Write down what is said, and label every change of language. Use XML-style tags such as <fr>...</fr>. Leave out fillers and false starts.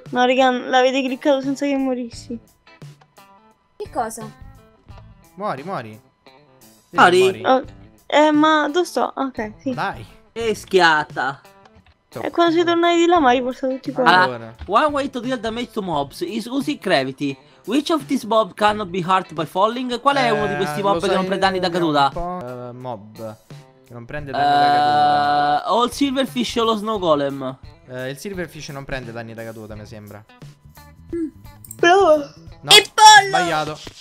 <it>No, raga, l'avete cliccato senza che morissi. Che cosa? Muori. Mori. Ma dove sto? Ok, sì. Dai. E schiatta. E quando sei tornato di là mi ha riportato tutti i quali.</it> <en>Allora, one way to deal damage to mobs is using gravity. Which of these mobs cannot be hurt by falling?</en> <it>Qual è uno di questi mob che non prende danni da caduta? Mob che non prende danni da caduta. O il silverfish o lo snow golem. Il silverfish non prende danni da caduta, mi sembra. Prova. No, e pollo. Sbagliato.</it>